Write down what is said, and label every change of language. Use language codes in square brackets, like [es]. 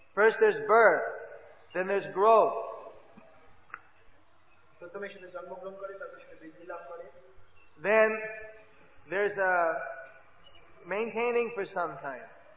[en] First there's birth, then there's growth. [bn] প্রথমে সেটা জন্মগ্রহণ করে, তারপর সেটা বৃদ্ধি লাভ করে. [en] Then there's a maintaining for some time.